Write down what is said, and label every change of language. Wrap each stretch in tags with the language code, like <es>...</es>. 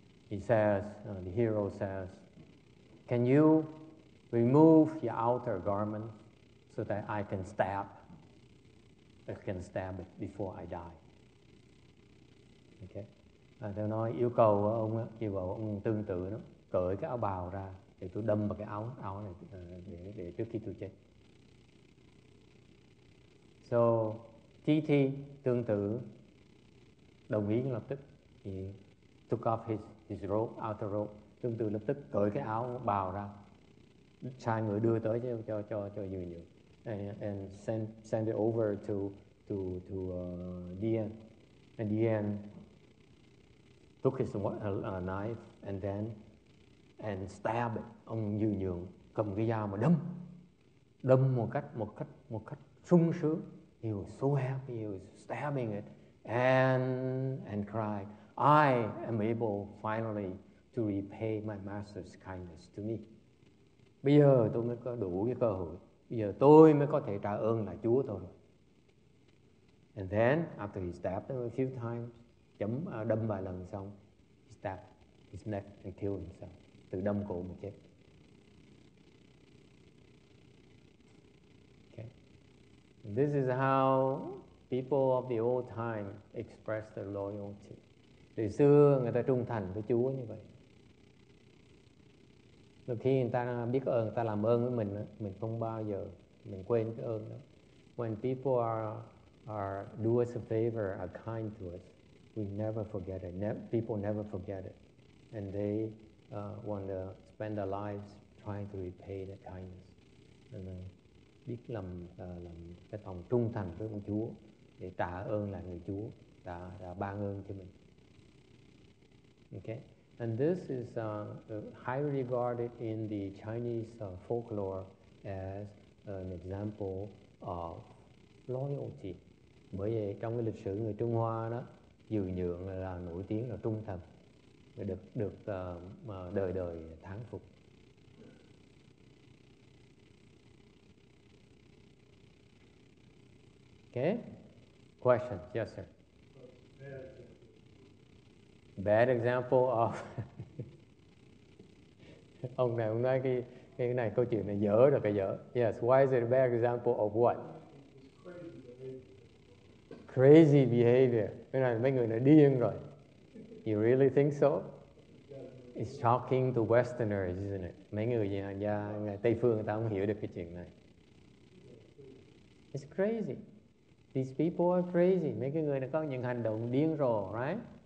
<en>The hero says, "Can you remove your outer garment so that I can stab it before I die?" Okay.</en> <vi>Tôi nói yêu cầu ông tương tự nó cởi cái áo bào ra để tôi đâm vào cái áo này để trước khi tôi chết. So, TT tương tự đồng ý lập tức.</vi> <en>He took off his robe, outer robe,</en> <vi>tương tự lập tức cởi cái áo bào ra, sai người đưa tới cho Dương Dương,</vi> <en>and send it over to Dian, and Dian took his knife and stab it.</en> <vi>Ông Dương Dương cầm cái dao mà đâm một cách sung sướng.</vi> <en>He was so happy, he was stabbing it, and cried, "I am able finally to repay my master's kindness to me."</en> <vi>Bây giờ tôi mới có đủ cái cơ hội. Bây giờ tôi mới có thể trả ơn lại Chúa tôi.</vi> <en>And then, after he stabbed him a few times,</en> <vi>đâm vài lần xong,</vi> <en>he stabbed his neck and killed himself.</en> <vi>Tự đâm cổ mà chết.</vi> <en>This is how people of the old time express their loyalty.</en> <vi>Từ xưa người ta trung thành với Chúa như vậy. Lúc khi người ta biết ơn, người ta làm ơn với mình, mình không bao giờ mình quên cái ơn đó.</vi> <en>When people are do us a favor, are kind to us, we never forget it. People never forget it, and they want to spend their lives trying to repay that kindness.</en> <vi>Biết làm cái lòng trung thành với ông Chúa để trả ơn lại người Chúa đã ban ơn cho mình.</vi> <en>Okay, and this is highly regarded in the Chinese folklore as an example of loyalty.</en> <vi>Bởi vì trong cái lịch sử người Trung Hoa đó, Dương Dương là nổi tiếng là trung thành, được đời đời thán phục.</vi> <en>Okay, question, yes, sir. Bad example of</en> <vi>Ông này ông nói cái này câu chuyện này dở rồi cái dở.</vi> <en>Yes, why is it a bad example of what? Crazy behavior.</en> <vi>Cái này mấy người này điên rồi.</vi> <en>You really think so? It's shocking to Westerners, isn't it?</en> <vi>Mấy người nhà người Tây phương người ta không hiểu được cái chuyện này.</vi> <en>It's crazy. These people are crazy.</en> <vi>Mấy cái người này có những hành động điên rồ, right?</vi>